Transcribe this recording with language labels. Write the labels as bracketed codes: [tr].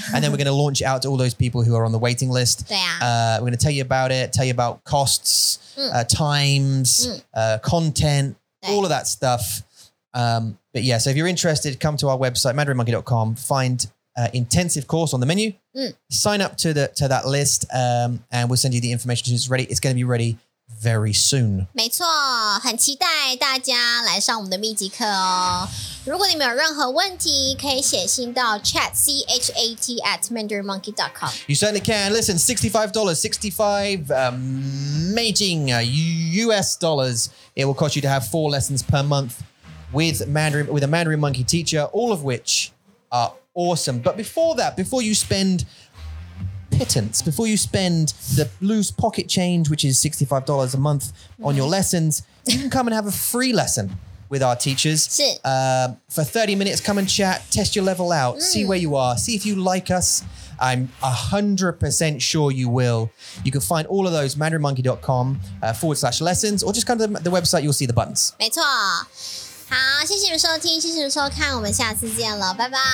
[en] And then we're going to launch it out to all those people who are on the waiting list. We're going to tell you about it, tell you about costs, times, content. All of that stuff. But yeah, so if you're interested, come to our website, mandarinmonkey.com, find intensive course on the menu, sign up to that list, and we'll send you the information as soon as it's ready. It's going to be ready very soon. [zh] 没错，很期待大家来上我们的秘籍课哦。如果你们有任何问题，可以写信到 chat@mandarinmonkey.com。 [en] You certainly can. Listen, $65, US dollars. It will cost you to have 4 lessons per month with a Mandarin Monkey teacher, all of which are awesome. But before that, before you spend pittance, before you spend the loose pocket change, which is $65 a month on your lessons, you can come and have a free lesson with our teachers. For 30 minutes, come and chat, test your level out, see where you are, see if you like us. I'm 100% sure you will. You can find all of those mandarinmonkey.com/lessons, or just come to the website, you'll see the buttons. [zh] 没错。好，谢谢你们收听，谢谢你们收看，我们下次见了，拜拜。